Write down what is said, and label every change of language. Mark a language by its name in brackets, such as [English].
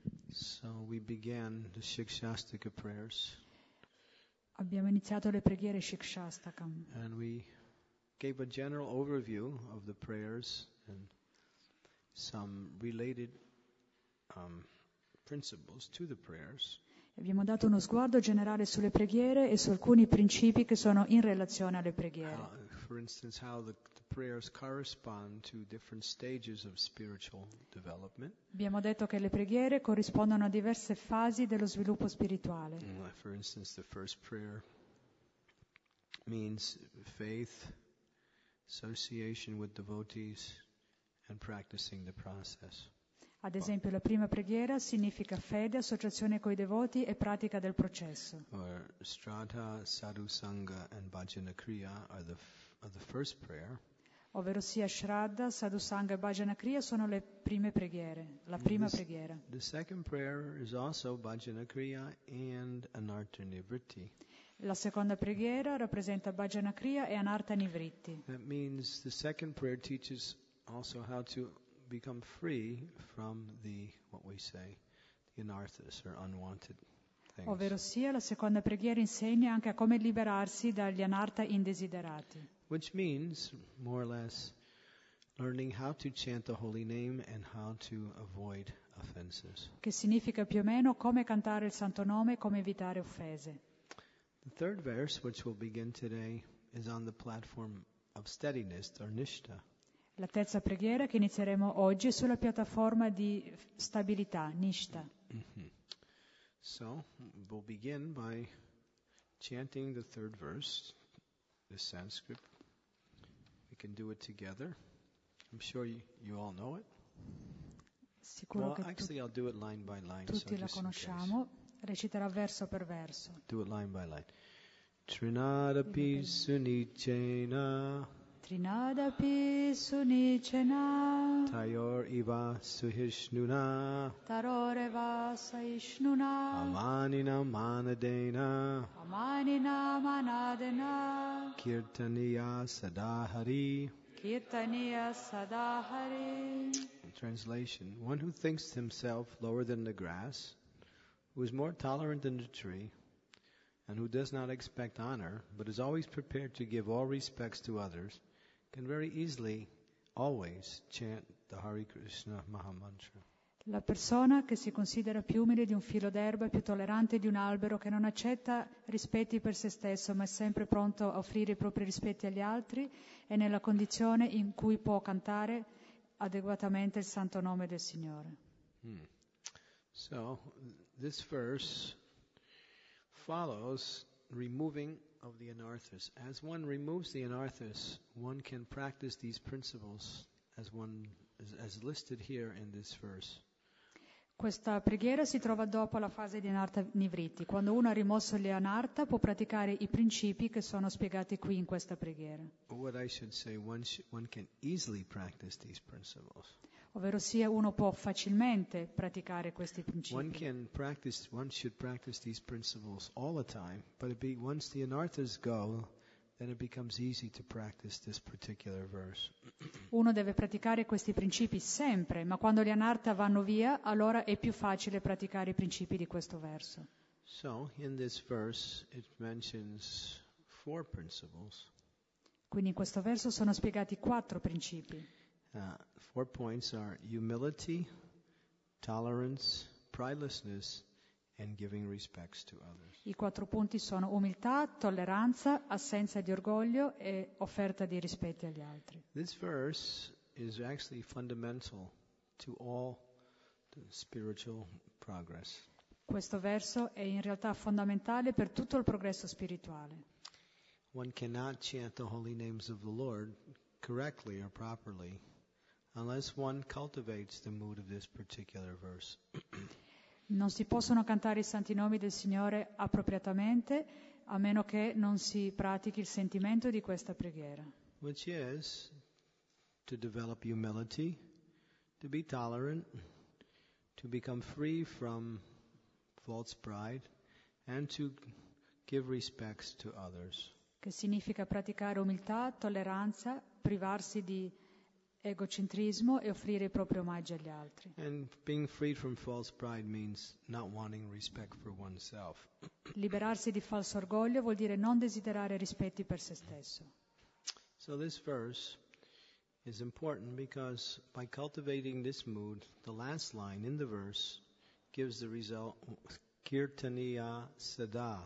[English] So we began the Shikshastika prayers. [Italian] Abbiamo iniziato le preghiere Shikshastaka. [English] And we gave a general overview of the prayers and some related principles to the prayers. [Italian] Abbiamo dato uno sguardo generale sulle preghiere e su alcuni principi che sono in relazione alle preghiere. [English] For instance, how the prayers correspond to different stages of spiritual development. [Italian] Abbiamo detto che le preghiere corrispondono a diverse fasi dello sviluppo spirituale. [English] For instance, the first prayer means faith, association with devotees, and practicing the process. [Italian] Ad esempio, la prima preghiera significa fede, associazione coi devoti e pratica del processo. [English] Or strata, sadhu sangha and bhajana kriya are the first prayer. [Italian] Ovvero sia shraddha, sadhu sangha e bhajana kriya sono le prime preghiere, la prima preghiera. [English] The second prayer is also bhajana kriya and anartha nivritti. [Italian] La seconda preghiera rappresenta bhajana kriya e anartha nivritti. [English] That means the second prayer teaches also how to become free from the anarthas or unwanted things. [Italian] Ovvero sia, la seconda preghiera insegna anche a come liberarsi dagli anartha indesiderati. [English] Which means more or less learning how to chant the holy name and how to avoid offenses. [Italian] Che significa più o meno come cantare il santo nome e come evitare offese. [English] The third verse, which we'll begin today, is on the platform of steadiness or nishtha. [Italian] La terza preghiera che inizieremo oggi è sulla piattaforma di stabilità, nishtha. [English] So, we'll begin by chanting the third verse, the Sanskrit. We can do it together. I'm sure you all know it. [Italian] Sicuro [English] well, [Italian] che [English] actually, I'll do it line by line. [Italian] Tutti [English] so [Italian] la conosciamo. Reciterà verso per verso. [English] Do it line by line. [Sanskrit] Trinadapi sunichena. Trinadapi sunichena Tayor iva suhishnuna Taror eva saishnuna Amanina manadena Amanina manadena Kirtaniya sadahari Kirtaniya sadahari. [English] Translation: one who thinks himself lower than the grass, who is more tolerant than the tree, and who does not expect honor, but is always prepared to give all respects to others, can very easily always chant the Hare Krishna Maha Mantra. [Italian] La persona che si considera più umile di un filo d'erba, più tollerante di un albero, che non accetta rispetti per se stesso, ma è sempre pronto a offrire i propri rispetti agli altri, è nella condizione in cui può cantare adeguatamente il santo nome del Signore. [English] So, this verse follows removing of the anarthas. As one removes the anarthas, one can practice these principles as listed here in this verse. [Italian] Questa preghiera si trova dopo la fase di anartha nivritti. Quando uno ha rimosso gli anartha, può praticare i principi che sono spiegati qui in questa preghiera. [English] What I should say, one can easily practice these principles. [Italian] Ovvero sia, uno può facilmente praticare questi principi. [English] One can practice, one should practice these principles all the time, but once the anarthas go, then it becomes easy to practice this particular verse. [Italian] Uno deve praticare questi principi sempre, ma quando gli anartha vanno via, allora è più facile praticare i principi di questo verso. [English] So, in this verse it mentions four principles. [Italian] Quindi in questo verso sono spiegati quattro principi. [English] Four points are humility, tolerance, pridelessness, and giving respects to others. [Italian] I quattro punti sono umiltà, tolleranza, assenza di orgoglio e offerta di rispetti agli altri. [English] This verse is actually fundamental to all the spiritual progress. [Italian] Questo verso è in realtà fondamentale per tutto il progresso spirituale. [English] One cannot chant the holy names of the Lord correctly or properly unless one cultivates the mood of this particular verse. [Italian] Non si possono cantare i santi nomi del Signore appropriatamente a meno che non si pratichi il sentimento di questa preghiera. [English] Which is to develop humility, to be tolerant, to become free from false pride, and to give respects to others. [Italian] Che significa praticare umiltà, tolleranza, privarsi di egocentrismo e offrire i propri omaggi agli altri. [English] And being freed from false pride means not wanting respect for oneself. [Italian] Liberarsi di falso orgoglio vuol dire non desiderare rispetti per se stesso. [English] So this verse is important because by cultivating this mood, the last line in the verse gives the result [Sanskrit] Kirtaniya Sada.